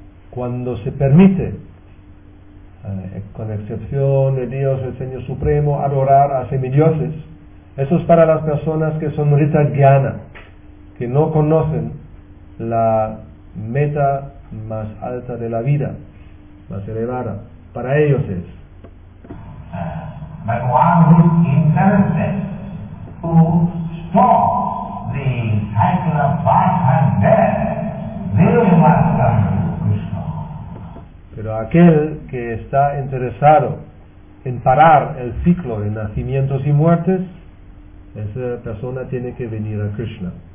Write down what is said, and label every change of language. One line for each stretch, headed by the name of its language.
Spanish: Cuando se permite, con excepción de Dios, el Señor Supremo, adorar a semidioses, eso es para las personas que son Rita Gyana, que no conocen la meta más alta de la vida, más elevada, para ellos es.
English: But one who is interested to stop the cycle of birth and death, really must come to Krishna.
Spanish: Pero aquel que está interesado en parar el ciclo de nacimientos y muertes, esa persona tiene que venir a Krishna.